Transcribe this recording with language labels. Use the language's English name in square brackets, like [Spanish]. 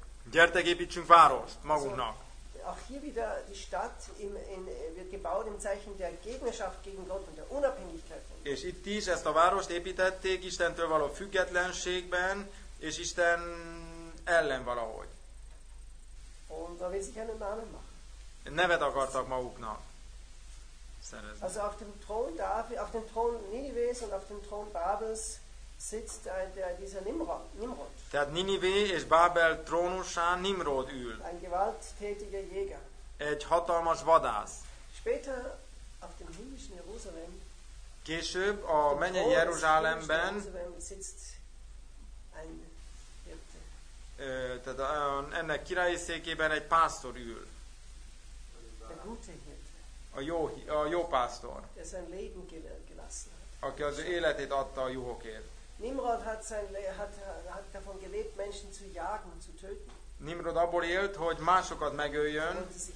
[Hungarian] Gyertek, építsünk várost magunknak. [German] Auch hier wieder die Stadt wird gebaut im Zeichen der Gegnerschaft gegen Gott und der Unabhängigkeit. [Hungarian] És itt is ezt a várost építették Istentől való függetlenségben és Isten ellen valahogy. [German] Und da will sich einen Namen machen. [Hungarian] Nevet akartak maguknak. Szerezni. [German] Also auf dem Thron David, auf dem Thron Ninives und auf dem Thron Babels sitzt dieser Nimrod. [Hungarian] Tehát Ninive és Bábel trónusán Nimrod ül. [German] Ein gewalttätiger Jäger. [Hungarian] Egy hatalmas vadász. [German] Später auf dem himmlischen Jerusalem. [Hungarian] Később a mennyei Jeruzsálemben [German] sitzt ein Hirte. [Hungarian] Tehát ennek királyi székében egy pásztor ül. [German] Der gute Hirte. [Hungarian] A jó pásztor. [German] Der sein Leben gelassen hat. [Hungarian] Aki az életét adta a juhokért. [German] Nimrod hat davon gelebt, Menschen zu jagen, zu töten. [Hungarian] Nimrod abból élt, hogy másokat megöljön.